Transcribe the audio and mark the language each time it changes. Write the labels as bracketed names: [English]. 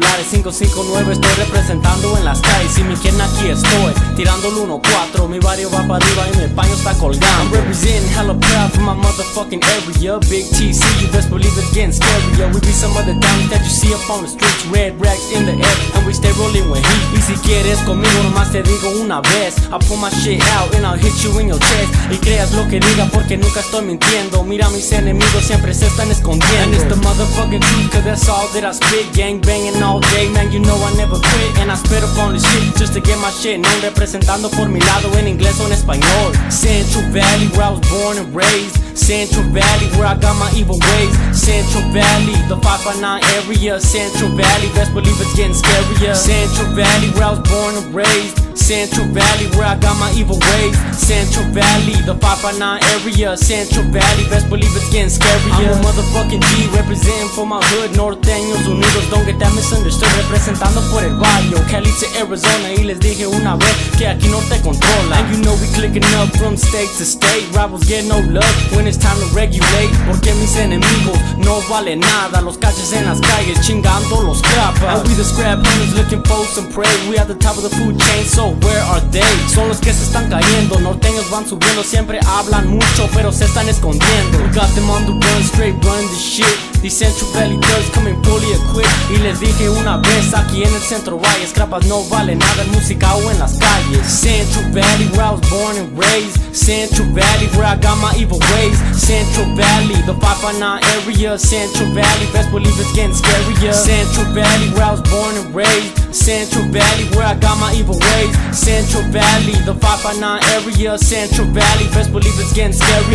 [Spanish] 559, estoy representando en las calles. Si me quieren, aquí estoy, tirando el 1-4. Mi barrio va para arriba y mi paño está colgando. [English] I'm representing hella proud for my motherfucking area. Big TC, you best believe it's getting scarier. We be some of the towns that you see up on the streets. Red rags in the air, and we stay rolling with heat. [Spanish] Y si quieres conmigo, nomás te digo una vez. [English] I pull my shit out and I'll hit you in your chest. [Spanish] Y creas lo que diga porque nunca estoy mintiendo. Mira, mis enemigos siempre se están escondiendo. [English] And it's the motherfucking truth, cause that's all that I spit. Gang banging all day, man, you know I never quit. And I spit up on the shit just to get my shit known. [Spanish] Representando por mi lado en inglés o en español. [English] Central Valley, where I was born and raised. Central Valley, where I got my evil ways. Central Valley, the 559 area. Central Valley, best believe it's getting scarier. Central Valley, where I was born and raised. Central Valley, where I got my evil ways. Central Valley, the 559 area. Central Valley, best believe it's getting scarier. I'm a motherfucking G, representing for my hood. [Spanish] Norteños Unidos, [English] don't get that misunderstood. [Spanish] Representando por el barrio, [English] Cali to Arizona. [Spanish] Y les dije una vez que aquí no te controla. [English] And you know we clicking up from state to state. Rivals get no love when it's time to regulate. [Spanish] Porque mis enemigos no vale nada. Los caches en las calles chingando los capas. [English] And we the scrap hunters looking for some prey. We at the top of the food chain, so where are they? [Spanish] Son los que se están cayendo. Norteños van subiendo. Siempre hablan mucho, pero se están escondiendo. [English] We got them on the run, straight running the shit. The Central Valley thugs coming fully equipped. [Spanish] Y les dije una vez, aquí en el centro hay escrapas, no vale nada en música o en las calles. [English] Central Valley, where I was born and raised. Central Valley, where I got my evil ways. Central Valley, the 559 area. Central Valley, best believe it's getting scarier. Central Valley, where I was born and raised. Central Valley, where I got my evil ways. Central Valley, the 559 area. Central Valley, best believe it's getting scarier.